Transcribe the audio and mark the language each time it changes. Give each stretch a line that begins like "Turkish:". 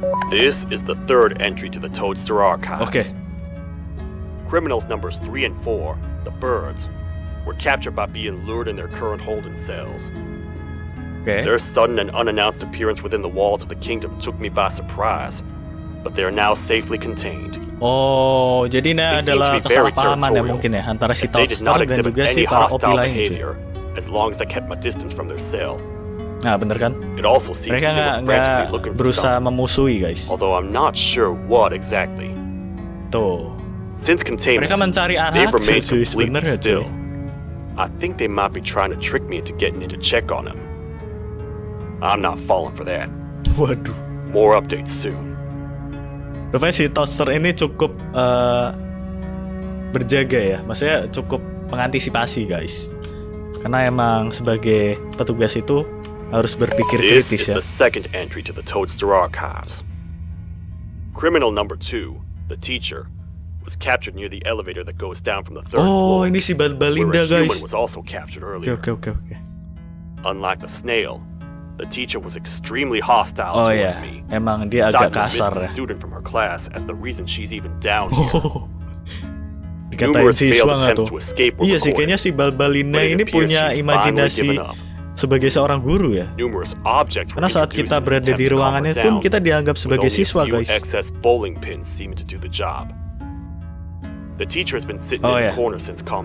English: This is the third entry to the Toadster Archive. Okay. Criminals numbers 3 and 4, the birds, were captured by being lured in their current holding cells. Okay. Their sudden and unannounced appearance within the walls of the kingdom took me by surprise, but they are now safely contained.
Indonesian: Oh, jadi ini they adalah kesalahpahaman ya mungkin ya antara si Toadster dan juga si para opila ini.
English: Behavior, as long as I kept my distance from their cell.
Indonesian: Nah, benar kan? Mereka nggak berusaha memusuhi, guys.
English: Although I'm not sure what exactly.
Indonesian: Tuh.
English: Since containment,
Indonesian: mereka mencari anak, cuy, sebenarnya, cuy.
English: I think they might be trying to trick me into getting in to check on him. I'm not falling for that.
Indonesian: Waduh.
English: More updates soon.
Indonesian: Rupanya si Toadster ini cukup berjaga ya. Maksudnya cukup mengantisipasi, guys. Karena emang sebagai petugas itu harus berpikir kritis ya.
English: This is the second entry to the Toadster Archives. Criminal number 2, the teacher, was captured near the elevator that goes down from the third floor.
Indonesian: Oh, ini si Balinda, guys.
English: Was also captured earlier. Okay. Unlike the snail, the teacher was extremely hostile towards me.
Indonesian: Emang dia agak kasar ya.
English: Student from her class as the reason she's even down here.
Indonesian: Dikatain siswa nggak tuh? Iya sih, kayaknya si Balinda ini punya imajinasi sebagai seorang guru ya. Karena saat kita berada di ruangannya pun kita dianggap sebagai siswa, guys.
English: Excess bowling pins seem to do the job. The teacher has been sitting in the corner since calm.